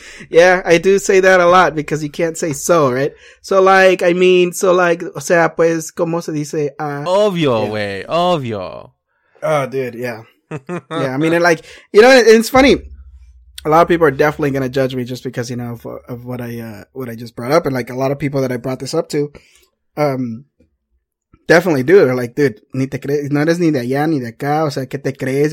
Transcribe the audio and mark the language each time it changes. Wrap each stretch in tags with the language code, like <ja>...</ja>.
<en>Yeah, I do say that a lot because you can't say so, right? So, like, I mean, so, like,</en> <es>o sea, pues, ¿cómo se dice? Obvio, yeah. Wey, obvio.</es> <en>Oh, dude, yeah. Yeah, I mean, like, you know, it's funny. A lot of people are definitely going to judge me just because, you know, of what I just brought up. And, like, a lot of people that I brought this up to definitely do. They're like, dude,</en> <es>ni te crees, no eres ni de allá ni de acá. O sea, ¿qué te crees?</es>